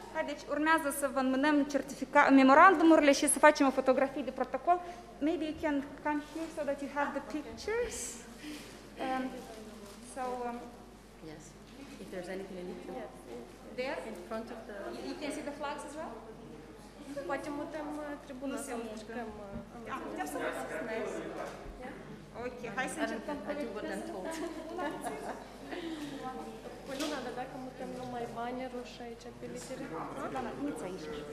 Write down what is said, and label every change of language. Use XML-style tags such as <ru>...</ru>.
<ro>Deci urmează să vă înmânăm memorandumurile și să facem o fotografie de protocol.</ro> <en>Maybe you can come here so that you have the pictures. Okay. Yes, if there's anything you need to... Yeah. There? In front of the... You can see the flags as well?</en> <ro>Poate mutăm tribuna să mișcăm. Putem să mișcăm. Ok, hai să încercăm.</ro> <en>I do what I'm told.</en> <ro>Polina, dar dacă mutăm numai bannerul și aici pe litere? Da, da, nu-ți aici.</ro>